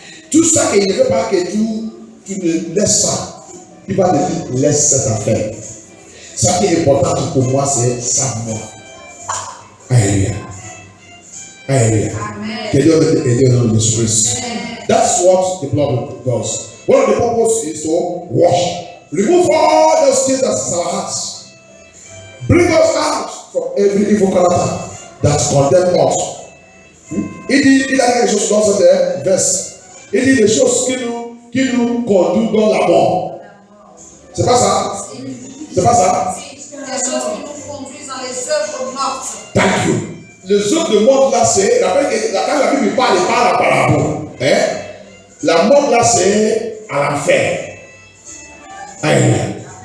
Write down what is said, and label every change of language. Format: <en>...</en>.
<fr>Tout ça qu'il ne veut pas que tu ne laisses ça. Il va te dire, laisse cette affaire. Ce qui est important pour moi, c'est ça, moi. Alléluia. Alléluia. Amen. Que Dieu nous aide dans le Jésus-Christ.</fr> <en>That's what the blood does. One of the purpose is to wash. Remove all those things that's in our hearts. Bring us out from every evil character that condemns us.</en> <fr>Il a dit quelque chose dans ce verset. Il dit des choses qui nous conduisent dans la mort. C'est pas ça? C'est pas ça? Les choses qui nous conduisent dans les œuvres mortes.</fr> <en>Thank you.</en> <fr>Les œuvres de mort là, c'est. Rappelle quand la Bible parle, par la parabole. Hein? La mort là, c'est à l'enfer. Amen.</fr>